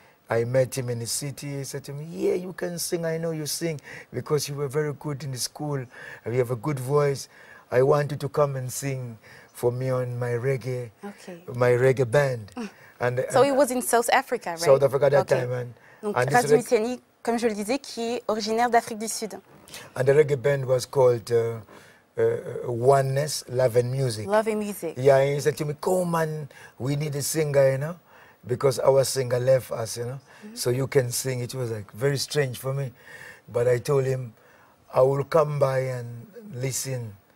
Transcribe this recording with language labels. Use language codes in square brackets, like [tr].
[en] I met him in the city. He said to me, yeah, you can sing. I know you sing because you were very good in the school. You have a good voice. I want you to come and sing for me on my reggae, my reggae band. And so it was in South Africa, right? South Africa that time. And, [fr] RAS DUMISANI, comme je le disais, qui est originaire d'Afrique du Sud. [en] And the reggae band was called Oneness, Love and Music. Love and Music. Yeah, and he said to me, come on, we need a singer, you know, because our singer left us, you know, so you can sing. It was like very strange for me. But I told him, I will come by and listen.